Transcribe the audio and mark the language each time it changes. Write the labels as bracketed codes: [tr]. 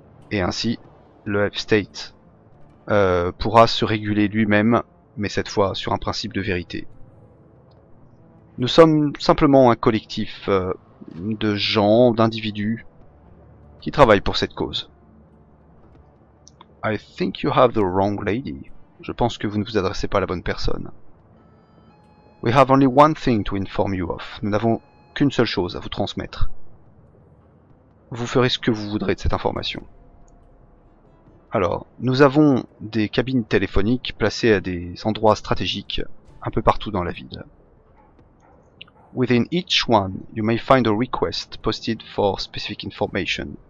[fr] Et ainsi, le F-State pourra se réguler lui-même, mais cette fois sur un principe de vérité. Nous sommes simplement un collectif de gens, d'individus qui travaillent pour cette cause. [en] I think you have the wrong lady. [fr] Je pense que vous ne vous adressez pas à la bonne personne. [en] We have only one thing to inform you of. [fr] Nous n'avons qu'une seule chose à vous transmettre. Vous ferez ce que vous voudrez de cette information. Alors, nous avons des cabines téléphoniques placées à des endroits stratégiques un peu partout dans la ville. [en] Within each one, you may find a request posted for specific information.